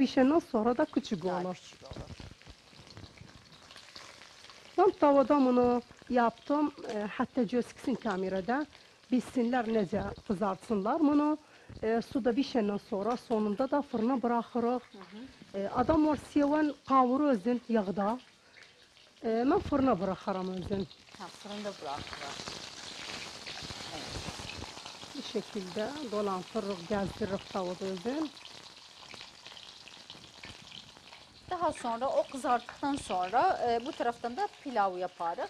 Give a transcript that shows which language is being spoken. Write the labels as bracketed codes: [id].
[tr] Pişenden sonra da küçük olur. Ben tavada bunu yaptım. Hatta gözüksün kamerada. Bilsinler necə kızartsınlar bunu. Suda pişenden sonra sonunda da fırına bırakırız. [az] Adam var sevən qavuru özün yağda. [tr] Ben fırına bırakırım özün. Fırında bırakırız. Bu şekilde dolandırırız, gezdiririz tavada özün. Daha sonra o kızarttıktan sonra bu taraftan da pilav yaparız.